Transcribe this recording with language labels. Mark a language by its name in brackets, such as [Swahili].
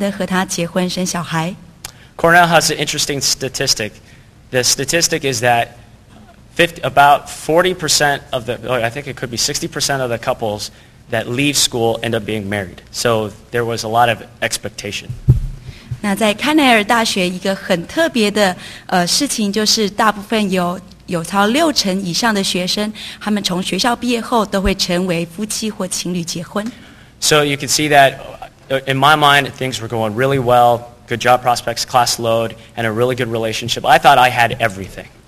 [Chinese] 在那个时同时，我也有一位女朋友。那非感情非常稳定的发展，我也认为毕业之后我就会很自然的和她结婚生小孩。Cornell [English] has an interesting statistic. The statistic is that about 40% of the, or I think it could be 60% of the couples that leave school end up being married. So there was a lot of expectation. [Chinese] 那在康奈尔大学一个很特别的事情，就是大部分有超六成以上的学生，他们从学校毕业后都会成为夫妻或情侣结婚。So [English] you can see that in my mind things were going really well, good job prospects, class load, and a really good relationship. I thought I had everything.